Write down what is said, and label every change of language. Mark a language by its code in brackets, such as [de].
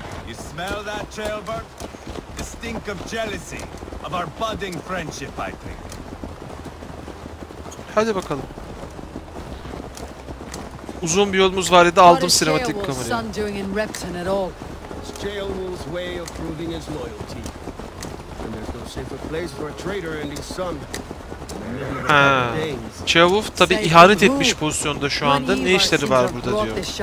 [en] You smell that, Trailbird? The stink of jealousy, of our budding friendship, I think. [tr] Hadi bakalım. Uzun bir yolumuz var dedi, aldım sinematik kamerayı. [en] What is Jailwolf's son doing in Repton at all? It's Jailwolf's way of proving his loyalty. And there's no safer place for a traitor and his son. Ha. [tr] Chavuf tabi ihanet etmiş pozisyonda şu anda. Ne işleri var burada diyor.